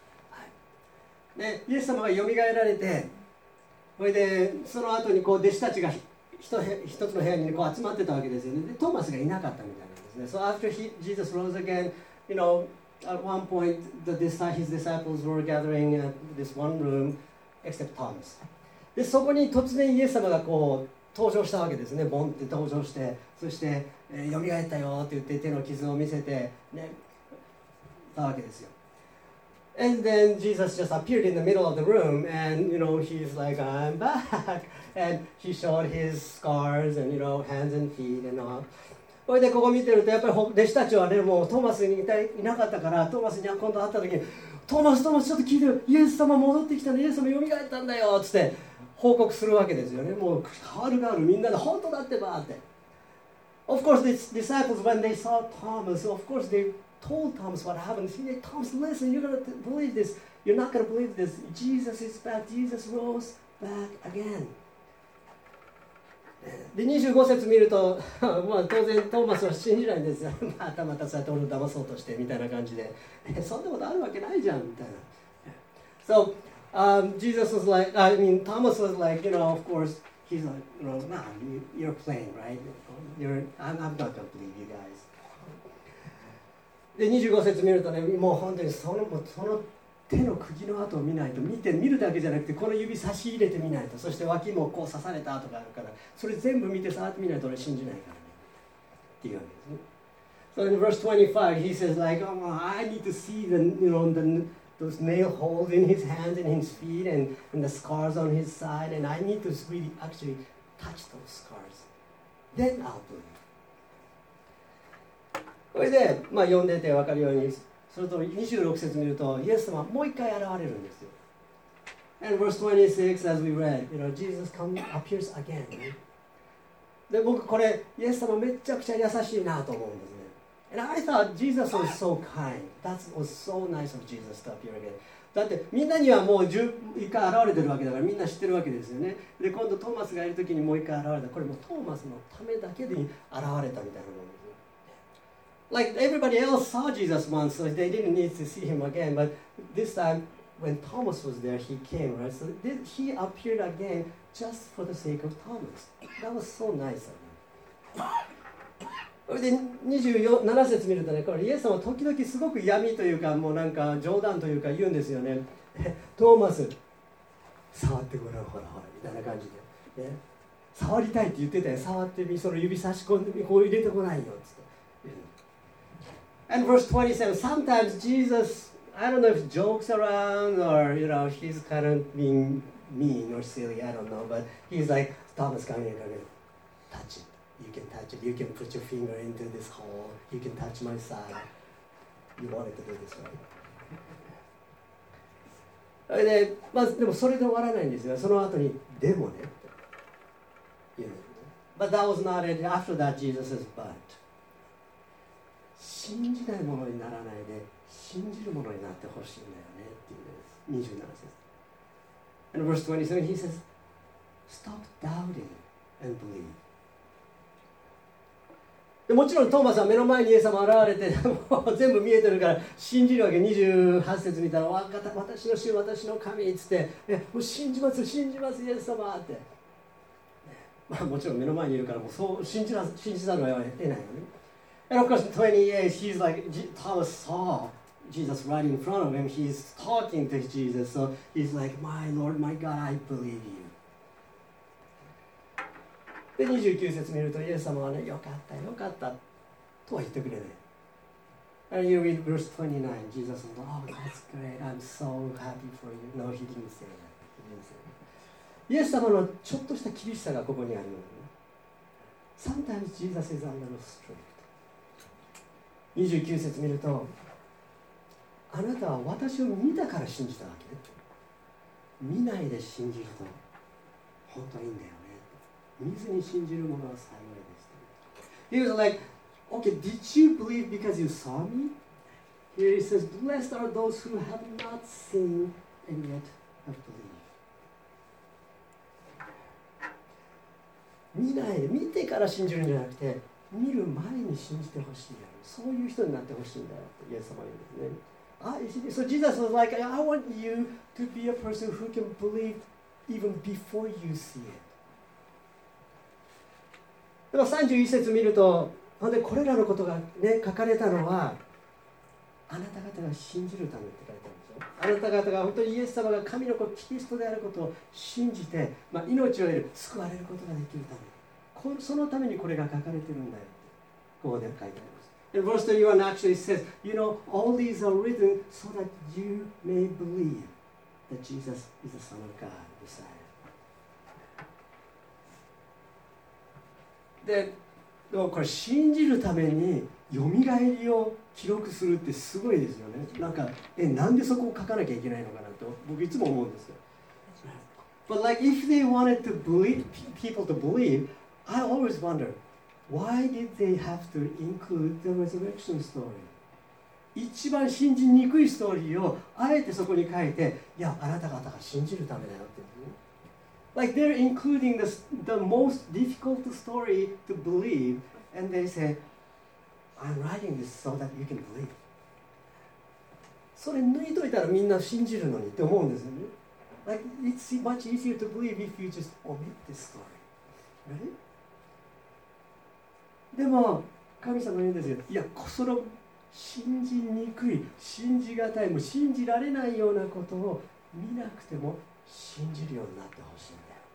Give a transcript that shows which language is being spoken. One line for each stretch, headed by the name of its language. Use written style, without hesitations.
Japanese: はい、ね、イエス様がよみがえられて、それでその後にこう弟子たちが一つの部屋にこう集まってたわけですよね。で、トーマスがいなかったみたいなんですね。
English: So after Jesus rose again, you know, at one point, his disciples were gathering at this one room, except Thomas.
Japanese: で、そこに突然イエス様がこう登場したわけですね。ボンって登場して、そして、蘇ったよって言って手の傷を見せて、ね、たわけですよ。
English: And then Jesus just appeared in the middle of the room, and you know, he's like, I'm back. And he showed his scars and, you know, hands and feet and all.
Japanese: それでここ見てると、やっぱり弟子たちはね、もうトーマスにいなかったから、トーマスに今度会った時に、トーマス、ちょっと聞いてよ。イエス様戻ってきたね。イエス様蘇ったんだよ。つって報告するわけですよね。もう、変わる変わる。みんなで、本当だってばって。
English: Of course, the disciples, when they saw Thomas, of course, they... told Thomas what happened. He said, Thomas, listen, you're going to believe this. You're not going to believe this. Jesus is back. Jesus rose back again.
Japanese: で、25節見ると、まあ当然トーマスは信じないんですよ。またまたそうやって俺を騙そうとしてみたいな感じで。そんなことあるわけないじゃんみたいな。
English: So, Jesus was like, I mean, Thomas was like, you know, of course, he's like, you know, nah, you're playing, right? I'm not going to believe you guys.
Japanese: で25節見るとね、もう本当にその手の釘の跡を見ないと、見るだけじゃなくて、この指差し入れてみないと、そして脇もこう刺された跡があるから、それ全部見て触ってみないと俺信じないからねっていうわけですね。
English: So in verse 25, he says like, oh, well, I need to see the, you know, the, those nail holes in his hands and his feet and the scars on his side, and I need to really actually touch those scars. Then I'll believe.
Japanese: それで、まあ、読んでて分かるように、それと26節見ると、イエス様はもう一回現れるんですよ。
English: And verse 26, as we read, you know, Jesus appears again.
Japanese: で、僕これ、イエス様めちゃくちゃ優しいなと思うんですね。
English: And I thought Jesus was so kind. That was so nice of Jesus to appear again.
Japanese: だってみんなにはもう一回現れてるわけだから、みんな知ってるわけですよね。で、今度トーマスがいるときにもう一回現れた。これもうトーマスのためだけで現れたみたいなもんですよ。
English: Like everybody else saw Jesus once, so they didn't need to see him again. But this time, when Thomas was there, he came, right? So he appeared again just for the sake of Thomas. That was so nice of him.
Japanese: で27節見るとね、これイエス様は時々すごく闇というか、もうなんか冗談というか言うんですよね。トーマス、触ってごらん、ほらほら、みたいな感じで、ね。触りたいって言ってたよ。触ってみ、その指差し込んでみ、こう入れてこないよ、つって。
English: And verse 27, sometimes Jesus, I don't know if he jokes around or, you know, he's kind of being mean or silly, I don't know, but he's like, Thomas, come here, come here, touch it. You can touch it. You can put your finger into this hole. You can touch my side. You wanted to do this, right?
Japanese: で、まあ、でもそれで終わらないんですよ。その後に、でもね。
English: But that was not it. After that, Jesus says, but.
Japanese: 信じないものにならないで、信じるものになってほしいんだよね。っていうんです。27節。
English: And verse 27, he says, stop doubting and believe.
Japanese: もちろんトーマスは目の前にイエス様現れて、もう全部見えてるから信じるわけ。 28節見たら、わかった、私の主、私の神っつって、もう信じます、信じます、イエス様って、まあ、もちろん目の前にいるから、もうそう信じら信じたのは得ないよね。
English: And of course 28, he's like Thomas saw Jesus right in front of him. He's talking to Jesus, so he's like, my Lord, my God, I believe you.
Japanese: で29節見るとイエス様はね、よかったよかったとは言ってくれない。
English: And you read verse 29, Jesus says, oh, that's great, I'm so happy for you. No, he didn't say that. He didn't say that.
Japanese: イエス様のちょっとした厳しさがここにあるのね。
English: Sometimes Jesus is a little strict.
Japanese: 29節見ると、あなたは私を見たから信じたわけ。見ないで信じると本当にいいんだよ。見ずに信じるものは幸いです。
English: He was like, okay, did you believe because you saw me? Here he says, blessed are those who have not seen and yet have believed.
Japanese: 見ないで、見てから信じるんじゃなくて、見る前に信じてほしいよ。そういう人になってほしいんだよ、とイエス様言うんですね。
English: So Jesus was like, I want you to be a person who can believe even before you see it.
Japanese: でも31節見ると、ほんでこれらのことが、ね、書かれたのは、あなた方が信じるためって書いてあるんですよ。あなた方が本当にイエス様が神の子、キリストであることを信じて、まあ、命を得る、救われることができるため。そのためにこれが書かれてるんだよって、ここで書いてあります。
English: And verse 31 actually says, You know, all these are written so that you may believe that Jesus is the Son of God, the Son.
Japanese: でもこれ信じるためによみがえりを記録するってすごいですよね。なんか、なんでそこを書かなきゃいけないのかなと僕いつも思うんですよ。
English: But like if they wanted to believe people to believe, I always wonder why did they have to include the resurrection story?
Japanese: 一番信じにくいストーリーをあえてそこに書いて、いや、あなた方が信じるためだよって。
English: Like they're including the most difficult story to believe, and they say, "I'm writing this so that you can believe."
Japanese: それ抜いといたらみんな信じるのにって思うんですよね。
English: Like it's much easier to believe if you just omit this story, right?
Japanese: でも神様言うんですよ。いや、その信じにくい、信じがたい、もう信じられないようなことを見なくても信じるようになってほしいんだよ。